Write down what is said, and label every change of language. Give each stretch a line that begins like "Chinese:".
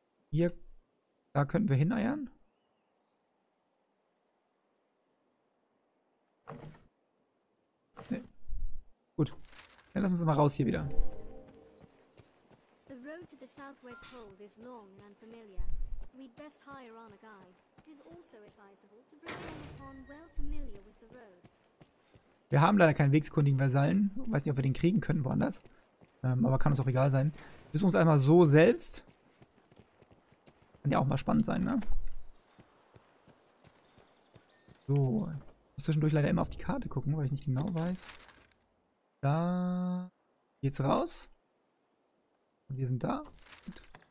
German: Hier, da könnten wir hineiern. Nee. Gut, dann lass uns mal raus hier wieder.
English: The road to the southwest hold is long and unfamiliar. We'd best hire on a guide. It is also advisable to bring one upon well familiar with the road.
German: Wir haben leider keinen wegskundigen Vasallen. Weiß nicht, ob wir den kriegen könnten woanders. Aber kann uns auch egal sein. Wir suchen uns einmal so selbst. Kann ja auch mal spannend sein, ne? So. Ich muss zwischendurch leider immer auf die Karte gucken, weil ich nicht genau weiß. Da geht's raus. Und wir sind da. Gut.